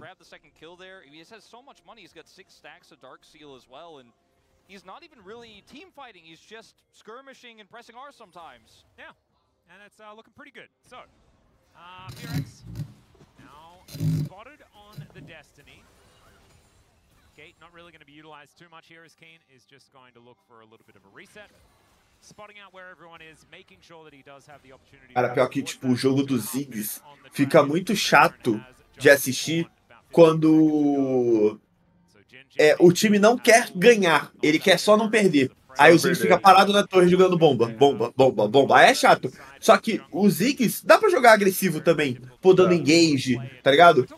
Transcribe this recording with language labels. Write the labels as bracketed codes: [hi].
[pt] Ele tem tanto dinheiro, ele tem 6 stacks de Dark Seal também. [en] He's not even really team fighting, he's just skirmishing and pressing R sometimes. Yeah, and it's looking pretty good. So, Mirex, now spotted on the Destiny. Gate not really going to be utilized too much here as Keen is just going to look for a little bit of a reset. Spotting out where everyone is, making sure that he does have the opportunity... [pt] Cara, pior que tipo, o jogo dos Ziggs fica muito chato de assistir quando... É, o time não quer ganhar, ele quer só não perder. Aí o Ziggs fica parado na torre jogando bomba. É chato. Só que o Ziggs dá pra jogar agressivo também. Pô, dando engage, tá ligado?